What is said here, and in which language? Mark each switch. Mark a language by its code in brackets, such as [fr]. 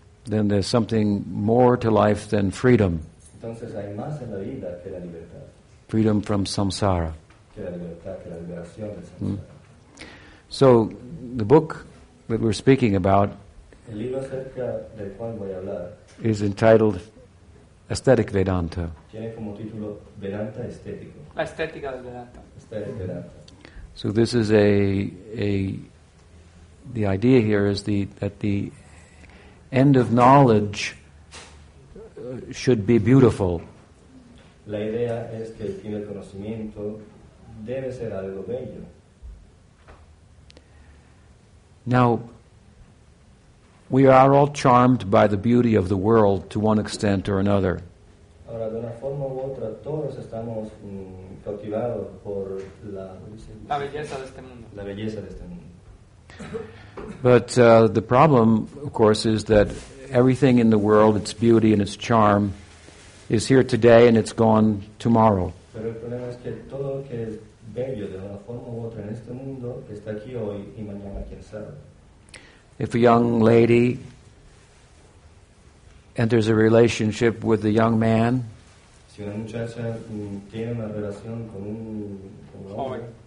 [en] then there's something more to life than freedom. [es] Entonces hay más en la vida que la libertad. [en] Freedom from samsara. [es] Que la libertad, que la liberación del samsara. [en] So the book that we're speaking about, [es] el libro acerca del cual voy a hablar, [en] is entitled Aesthetic Vedanta. [es] Tiene como título Vedanta Estético. La estética del Vedanta. [en] Aesthetic Vedanta. So this is the idea here is that the end of knowledge should be beautiful. [es] La idea es que el fin del conocimiento debe ser algo bello. [en] Now, we are all charmed by the beauty of the world to one extent or another. [es] Ahora, de una forma u otra, todos estamos cautivados por la belleza de este mundo. La belleza de este mundo. [en] But the problem, of course, is that everything in the world, its beauty and its charm, is here today and it's gone tomorrow. [es] Pero el problema es que todo lo que es bello de una forma u otra en este mundo está aquí hoy y mañana quién sabe. [en] If a young lady enters a relationship with a young man, [es] si una muchacha tiene una relación con un joven,